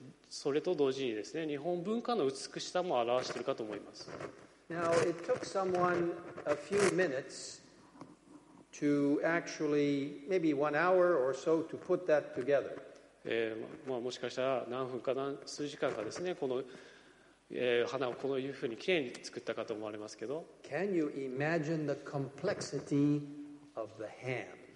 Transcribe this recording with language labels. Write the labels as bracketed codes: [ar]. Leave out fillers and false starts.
[ja] それと同時にですね、日本文化の美しさも表しているかと思います。 [en] Now it took someone a few minutes to actually maybe one hour or so to put that together. [ja] もしかしたら何分か何数時間かですね、この、花をこのいうふうにきれいに作ったかと思われますけど。 [en] Can you imagine the complexity of the hand?